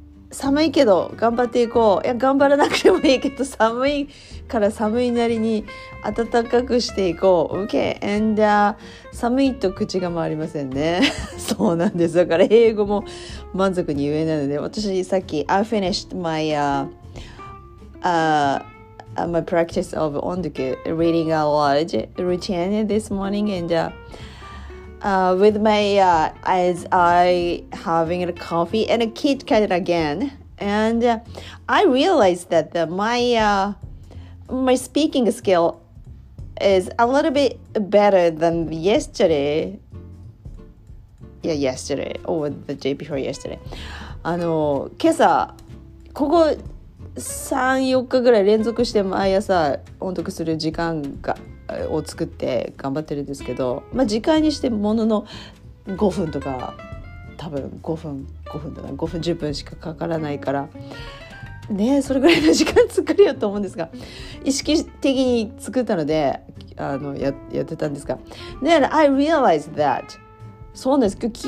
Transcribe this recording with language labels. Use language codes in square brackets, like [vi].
[ja] 寒いけど頑張っていこう。いや頑張らなくてもいいけど寒いから寒いなりに暖かくしていこう。 [en] Okay. And [ja] 寒いと口が回りませんね。そうなんです。だから英語も満足に言えないので、私さっき [en] I finished my my practice of onduku reading a lot routine this morning and with my as I having a coffee and a KitKat again and I realized that my speaking skill is a little bit better than yesterday. Yeah, yesterday or the day before yesterday. [ja] 今朝ここ3、4日ぐらい連続して毎朝音読する時間がを作って頑張ってるんですけど、まあ、時間にしてものの5分とか多分5分だな、5分10分しかかからないからね、それぐらいの時間作るよと思うんですが、意識的に作ったのでやってたんですが、で [en] I realized that、 [ja] そうなんです。